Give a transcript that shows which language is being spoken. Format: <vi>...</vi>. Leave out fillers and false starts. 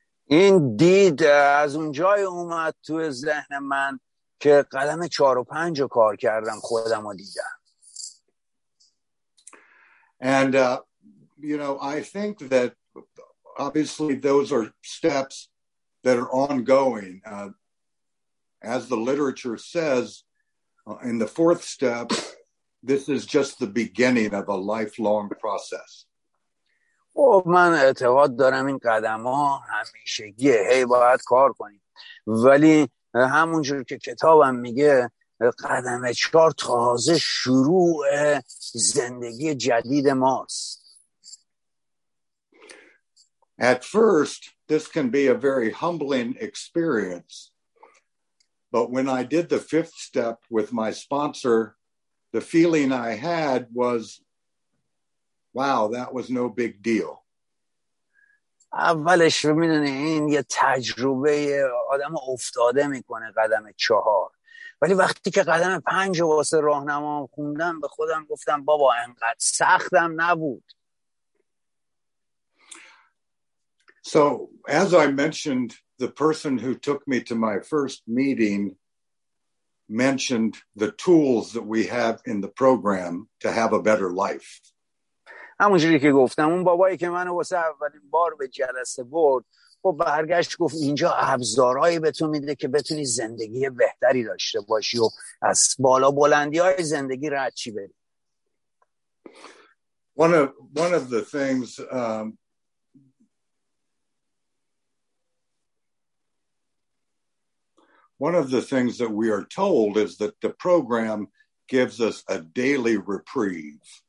<en>Indeed,</en> <fa>از اونجای اومد تو ذهن من که قدم 4 و 5 رو کار کردم، خودم رو دیدم.</fa> <en>And you know, I think that obviously those are steps that are ongoing. As the literature says, in the fourth step, this is just the beginning of a lifelong process.</en> <fa>خب من اعتقاد دارم این قدم ها همیشگیه، هی باید کار کنیم، ولی همونجور که کتابم میگه قدم چهار تازه شروع زندگی جدید ماست.</fa> <en>At first this can be a very humbling experience, but when I did the fifth step with my sponsor, the feeling I had was, wow, that was no big deal.</en> <fa>اولش رو میدونی این یه تجربه آدم افتاده میکنه قدم چهار، ولی وقتی که قدم پنج رو واسه راهنما خوندم به خودم گفتم بابا انقدر سختم نبود.</fa> <en>So as I mentioned, the person who took me to my first meeting mentioned the tools that we have in the program to have a better life.</en> <fa>همونجوری که گفتم اون بابایی که منو واسه اولین بار به جلسه برد با خب برگشت گفت اینجا ابزارهایی به تو میده که بتونی زندگی بهتری داشته باشی و از بالا بلندی های زندگی رد چی بری.</fa> <en>One of the things one of the things that we are told is that the program gives us a daily reprieve.</en>